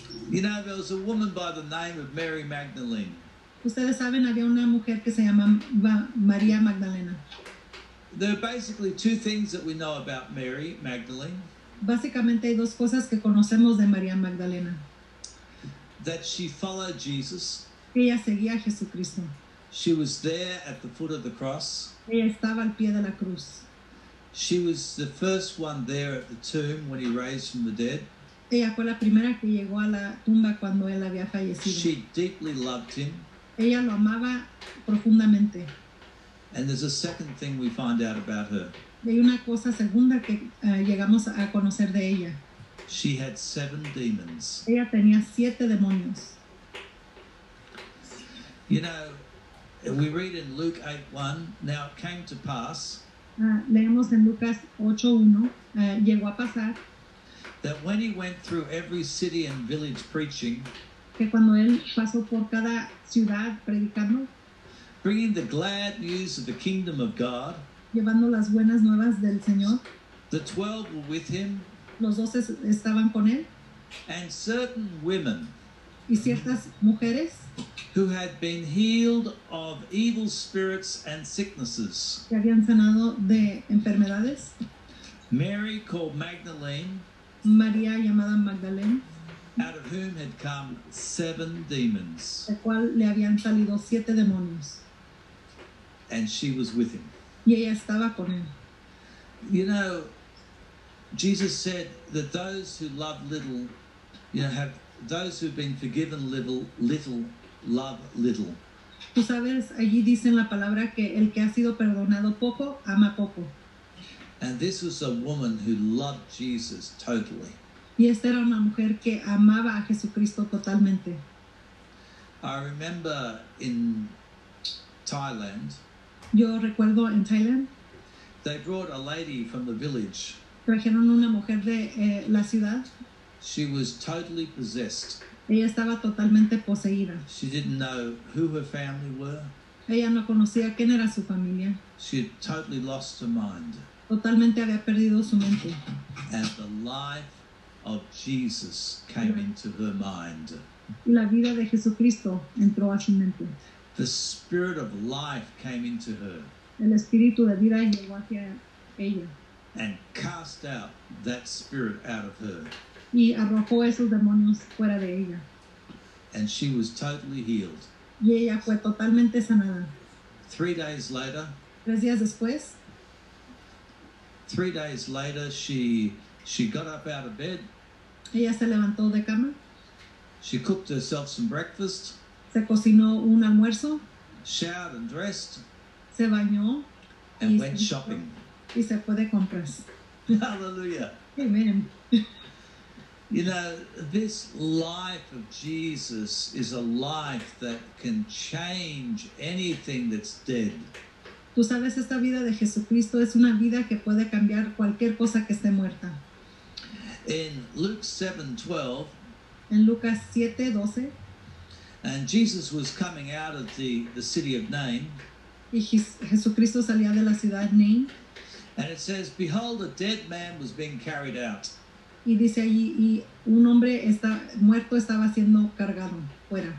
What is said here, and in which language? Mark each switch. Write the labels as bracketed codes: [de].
[en] You know, there was a woman by the name of Mary Magdalene. [es] Ustedes saben, había una mujer que se llamaba María Magdalena. [en] There are basically two things that we know about Mary Magdalene. [es] Básicamente hay dos cosas que conocemos de María Magdalena. [en] That she followed Jesus. [es] Ella seguía a Jesucristo. [en] She was there at the foot of the cross. [es] Ella estaba al pie de la cruz. [en] She was the first one there at the tomb when he raised from the dead. [es] Ella fue la primera que llegó a la tumba cuando él había fallecido. [en] She deeply loved him. [es] Ella lo amaba profundamente. [en] And there's a second thing we find out about her. [es] Hay una cosa segunda que llegamos a conocer de ella. [en] She had 7 demons. [es] Ella tenía 7 demonios. [en] You know, we read in Luke 8:1, now it came to pass. [es] Leemos en Lucas 8:1, llegó a pasar. [en] That when he went through every city and village preaching, [es] que cuando él pasó por cada ciudad predicando, [en] bringing the glad news of the kingdom of God, [es] llevando las buenas nuevas del Señor, [en] the 12 were with him, [es] los 12 estaban con él, [en] and certain women, [es] y ciertas mujeres, [en] who had been healed of evil spirits and sicknesses, [es] que habían sanado de enfermedades, [en] Mary called Magdalene, [es] María llamada Magdalena, [en] out of whom had come 7 demons, [es] de cual le habían salido 7 demonios, [en] and she was with him. [es] Y ella estaba con él. [en] You know, Jesus said that those who love little, you know, have those who've been forgiven little love little. [es] Tú sabes, allí dicen la palabra que el que ha sido perdonado poco ama poco. [en] And this was a woman who loved Jesus totally. [es] Y esta era una mujer que amaba a Jesucristo totalmente. [en] I remember in Thailand. [es] Yo recuerdo en Thailand. [en] They brought a lady from the village. [es] Trajeron una mujer de la ciudad. [en] She was totally possessed. [es] Ella estaba totalmente poseída. [en] She didn't know who her family were. [es] Ella no conocía quién era su familia. [en] She had totally lost her mind. [es] Totalmente había perdido su mente. [en] And the life of Jesus came into her mind. [es] La vida de Jesucristo entró a su mente. [en] The spirit of life came into her. [es] El espíritu de vida llegó hacia ella. [en] And cast out that spirit out of her. [es] Y arrojó esos demonios fuera de ella. [en] And she was totally healed. [es] Y ella fue totalmente sanada. [en] 3 days later. [es] 3 días después. [en] 3 days later, she got up out of bed. [es] Ella se levantó de cama. [en] She cooked herself some breakfast. [es] Se cocinó un almuerzo. [en] Showered and dressed. [es] Se bañó. [en] And went shopping. [es] Y se fue de compras. [en] Hallelujah. [es] Amen. [en] You know, this life of Jesus is a life that can change anything that's dead. [es] Tú sabes, esta vida de Jesucristo es una vida que puede cambiar cualquier cosa que esté muerta. [en] In Luke 7:12. [es] En Lucas 7:12. [en] And Jesus was coming out of the city of Nain. [es] Y Jesucristo salía de la ciudad Nain. [en] And it says, "Behold, a dead man was being carried out." [es] Y dice allí, y un hombre está muerto estaba siendo cargado fuera.